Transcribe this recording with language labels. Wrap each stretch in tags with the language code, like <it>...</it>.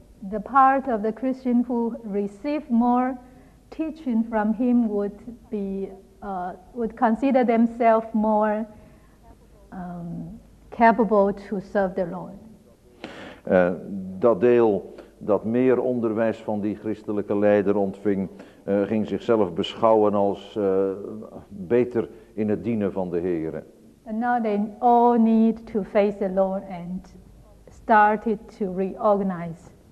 <en>The part of the Christian who received more teaching from him would consider themselves more capable to serve the Lord.</en> <nl>Dat deel dat meer onderwijs van die christelijke leider ontving, ging zichzelf beschouwen als beter in het dienen van de Here.</nl> <en>And now they all need to face the Lord and started to reorganize.</en>